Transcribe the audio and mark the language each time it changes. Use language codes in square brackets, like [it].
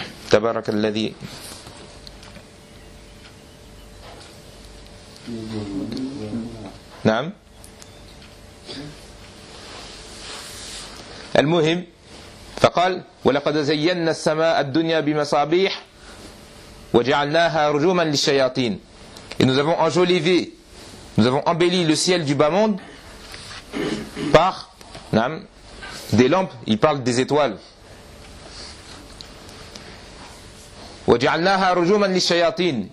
[ar] تبارك الذي نعم. المهم فقال ولقد زينا السماء الدنيا بمصابيح وجعلناها رجوما للشياطين. [fr] Et nous avons enjolivé, nous avons embelli le ciel du bas monde par نعم, des lampes, il parle des étoiles. [ar] وجعلناها رجوما للشياطين.